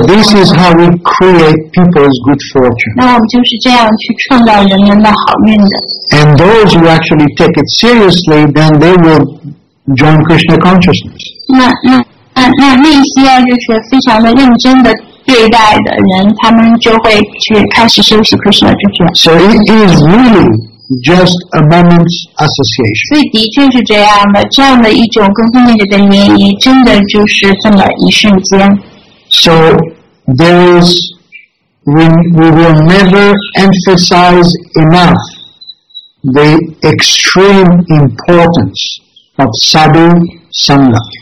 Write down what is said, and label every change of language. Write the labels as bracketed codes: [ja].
[en] this is how we create people's good fortune. [zh] 那我们就是这样去创造人们的好运的。 [en] And those who actually take it seriously, then they will join Krishna consciousness. [zh] 那些就是非常的认真的 [en] So it is really just a moment's association. [zh] 所以的确是这样的，这样的一种跟后面的联谊，真的就是这么一瞬间。 [en] So there is, we will never emphasize enough the extreme importance of sadhu sangha.